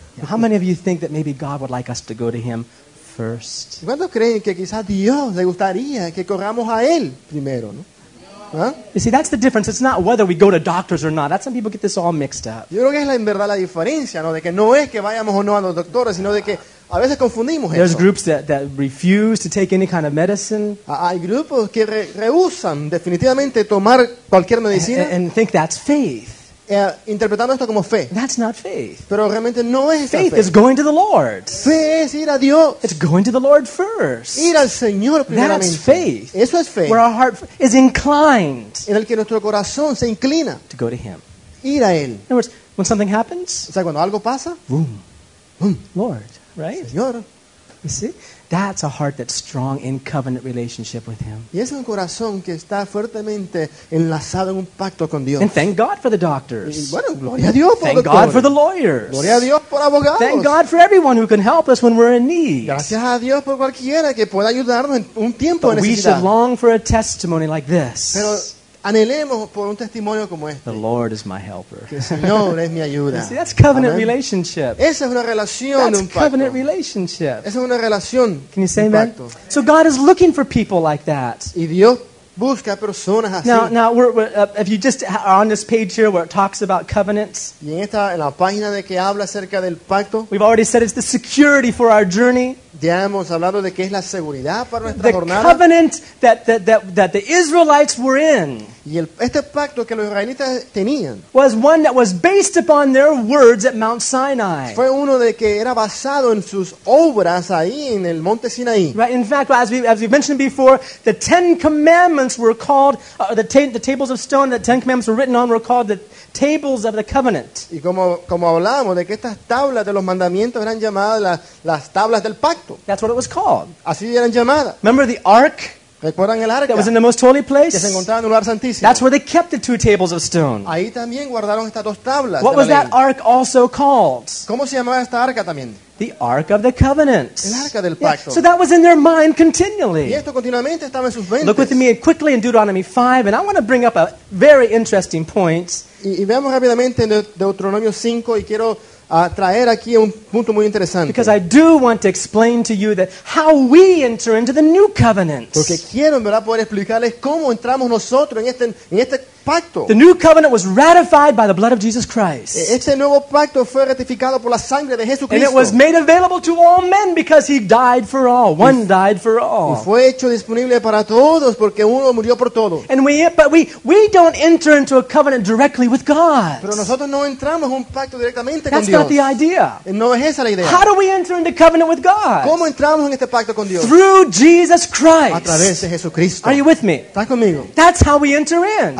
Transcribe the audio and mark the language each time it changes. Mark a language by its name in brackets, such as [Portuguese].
[English] How many of you think that maybe God would like us to go to Him first? [Spanish] ¿Cuántos creen que quizás Dios le gustaría que corramos a Él primero, no? [English] Huh? You see, that's the difference. It's not whether we go to doctors or not. That's some people get this all mixed up. [Spanish] Yo creo que es la, en verdad, la diferencia, ¿no? De que no es que vayamos o no a los doctores, sino de que a veces confundimos [English] There's [Spanish] eso. [English] Groups that refuse to take any kind of medicine. [Spanish] Hay grupos que rehusan definitivamente tomar cualquier medicina. [English] And think that's faith. [Spanish] Interpretando esto como fe. [English] That's not faith. [Spanish] Pero realmente no es [English] faith. Faith is going to the Lord. [Spanish] Fe es ir a Dios. [English] It's going to the Lord first. [Spanish] Ir al Señor primeramente. [English] That's faith. [Spanish] Eso es fe. [English] Where our heart is inclined. [Spanish] En el que nuestro corazón se inclina. [English] To go to Him. [Spanish] Ir a Él. [English] In other words, when something happens. [Spanish] O sea, cuando algo pasa. [English] Boom. Boom. Lord. Right? [Spanish] Señor. [English] You see? That's a heart that's strong in covenant relationship with Him. [Spanish] Y es un corazón que está fuertemente enlazado en un pacto con Dios. [English] And thank God for the doctors. [Spanish] Y bueno, gloria a Dios por [English] thank God for the lawyers. [Spanish] Gloria a Dios por abogados. [English] Thank God for everyone who can help us when we're in need. [Spanish] Gracias a Dios por cualquiera que pueda ayudarnos en un tiempo [English] but [Spanish] de necesidad. [English] We should long for a testimony like this. [Spanish] Pero anhelemos por un testimonio como este. [English] The Lord is my helper. [Spanish] Que el Señor es mi ayuda. [English] See, that's covenant amen. Relationship. [Spanish] Esa es una relación [English] that's [Spanish] de un pacto. [English] Covenant relationship. [Spanish] Esa es una relación. [English] Can you say [Spanish] un pacto. [English] Amen? So God is looking for people like that. [Spanish] Y Dios busca personas así. [English] Now if you just are on this page here where it talks about covenants. [Spanish] Y en esta en la página de que habla acerca del pacto. [English] We've already said it's the security for our journey. [Spanish] Ya hemos hablado de qué es la seguridad para nuestra [English] the [Spanish] jornada. [English] The covenant that the Israelites were in. [Spanish] Y este pacto que los israelitas tenían. [English] Was one that was based upon their words at Mount Sinai. [Spanish] Fue uno de que era basado en sus obras ahí en el Monte Sinaí. [English] Right, in fact, as we mentioned before, the Ten Commandments were called the tables of stone that the Ten Commandments were written on were called the tables of the covenant. [Spanish] Y como hablamos de que estas tablas de los mandamientos eran llamadas las tablas del pacto. [English] That's what it was called. [Spanish] Así eran llamadas. [English] Remember the ark? [Spanish] ¿Recuerdan el arca? [English] That was in the most holy place. [Spanish] Que se encontraba en un lugar santísimo. [English] That's where they kept the two tables of stone. [Spanish] Ahí también guardaron estas dos tablas. [English] What was [Spanish] la ley. [English] That ark also called? [Spanish] ¿Cómo se llamaba esta arca también? [English] The ark of the covenant. [Spanish] El arca del pacto. [English] Yeah. So that was in their mind continually. [Spanish] Y esto continuamente estaba en sus mentes. [English] Look with me quickly in Deuteronomy 5, and I want to bring up a very interesting point. [Spanish] Y veamos rápidamente en Deuteronomio 5 y quiero traer aquí un punto muy interesante. [English] Because I do want to explain to you that how we enter into the new covenant. [Spanish] Porque quiero, ¿verdad?, poder explicarles cómo entramos nosotros en este pacto. [English] The new covenant was ratified by the blood of Jesus Christ. [Spanish] Este nuevo pacto fue ratificado por la sangre de Jesucristo. [English] And it was made available to all men because he died for all. One died for all. [Spanish] Y fue hecho disponible para todos porque uno murió por todos. [English] And we don't enter into a covenant directly with God. [Spanish] Pero nosotros no entramos un pacto directamente [English] That's [Spanish] con Dios. [English] That's not the idea. [Spanish] No es esa la idea. [English] How do we enter into covenant with God? [Spanish] ¿Cómo entramos en este pacto con Dios? [English] Through Jesus Christ. [Spanish] A través de Jesucristo. [English] Are you with me? [Spanish] ¿Estás conmigo? [English] That's how we enter in.